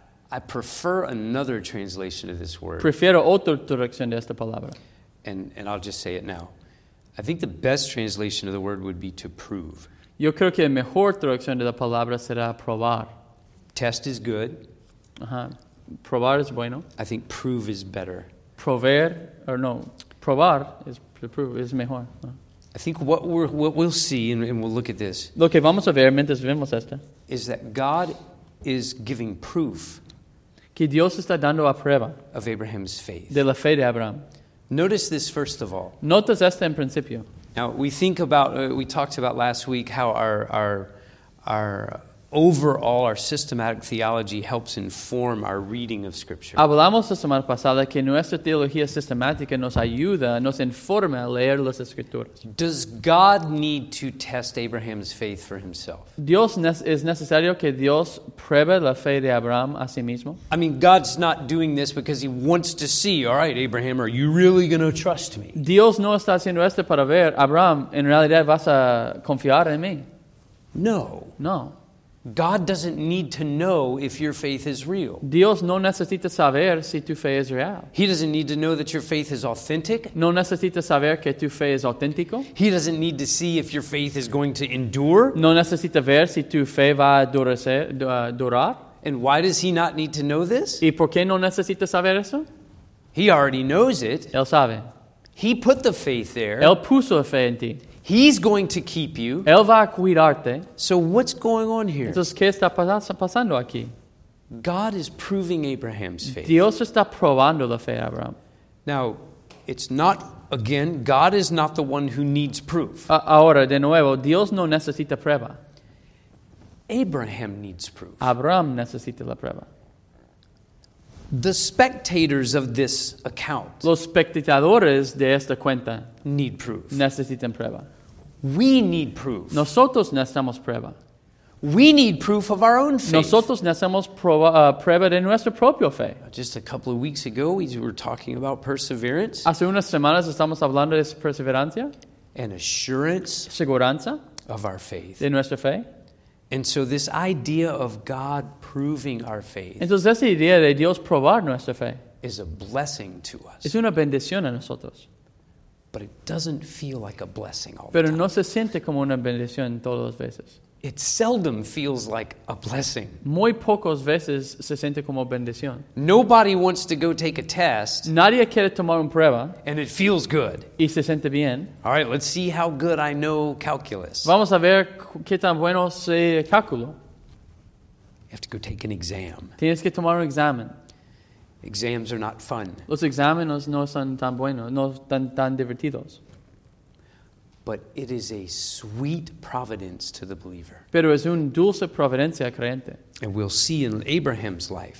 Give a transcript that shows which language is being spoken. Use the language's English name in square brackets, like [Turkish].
[English] I prefer another translation of this word. [Spanish] Prefiero otra traducción de esta palabra. [English] And I'll just say it now. I think the best translation of the word would be to prove. [Spanish] Yo creo que la mejor traducción de la palabra será probar. [English] Test is good. [Spanish] Probar es bueno. [English] I think prove is better. Probar is to prove is mejor. I think what we'll see, and we'll look at this. [Spanish] Lo que vamos a ver mientras vemos esto. [English] Is that God is giving proof. [Spanish] Que Dios está dando a prueba. [English] Of Abraham's faith. [Spanish] De la fe de Abraham. [English] Notice this first of all. [Spanish] Notas esto en principio. [English] Now we think about we talked about last week how our overall our systematic theology helps inform our reading of Scripture. [Spanish] Hablamos la semana pasada que nuestra teología sistemática nos ayuda, nos informa a leer las escrituras. [English] Does God need to test Abraham's faith for himself? [Spanish] Dios es necesario que Dios pruebe la fe de Abraham a sí mismo. [English] I mean, God's not doing this because He wants to see. All right, Abraham, are you really going to trust me? [Spanish] Dios no está haciendo esto para ver Abraham. En realidad, ¿vas a confiar en mí? [English] No. [Spanish] No. [English] God doesn't need to know if your faith is real. [Spanish] Dios no necesita saber si tu fe es real. [English] He doesn't need to know that your faith is authentic. [Spanish] No necesita saber que tu fe es auténtico. [English] He doesn't need to see if your faith is going to endure. [Spanish] No necesita ver si tu fe va a durar. [English] And why does he not need to know this? [Spanish] ¿Y por qué no necesita saber eso? [English] He already knows it. [Spanish] Él sabe. [English] He put the faith there. [Spanish] Él puso la fe en ti. [English] He's going to keep you. [Spanish] Él va a cuidarte. [English] So what's going on here? [Spanish] Entonces, ¿qué está pasando aquí? [English] God is proving Abraham's faith. [Spanish] Dios está probando la fe de Abraham. [English] Now, it's not, again, God is not the one who needs proof. [Spanish] Ahora, de nuevo, Dios no necesita prueba. [English] Abraham needs proof. [Spanish] Abraham necesita la prueba. [English] The spectators of this account. [Spanish] Los espectadores de esta cuenta. [English] Need proof. [Spanish] Necesitan prueba. [English] We need proof. [Spanish] Nosotros necesitamos prueba. [English] We need proof of our own faith. [Spanish] Nosotros necesitamos prueba de nuestra propia fe. [English] Just a couple of weeks ago, we were talking about perseverance. [Spanish] Hace unas semanas estamos hablando de perseverancia. [English] And assurance. [Spanish] Seguranza. [English] Of our faith. [Spanish] De nuestra fe. [English] And so this idea of God proving our faith. [Spanish] Entonces esa idea de Dios probar nuestra fe. [English] Is a blessing to us. [Spanish] Es una bendición a nosotros. [English] But it doesn't feel like a blessing all [Spanish] Pero Pero no se siente como una bendición todas las veces. [English] It seldom feels like a blessing. [Spanish] Muy pocas veces se siente como bendición. [English] Nobody wants to go take a test. [Spanish] Nadie quiere tomar una prueba. [English] And it feels good. [Spanish] Y se siente bien. [English] All right, let's see how good I know calculus. [Spanish] Vamos a ver qué tan bueno sé cálculo. [English] You have to go take an exam. [Spanish] Tienes que tomar un examen. [English] Exams are not fun. [Spanish] Los exámenes no son tan buenos, no tan divertidos. [English] But it is a sweet providence to the believer. [Spanish] Pero es un dulce providencia creyente. [English] And we'll see in Abraham's life.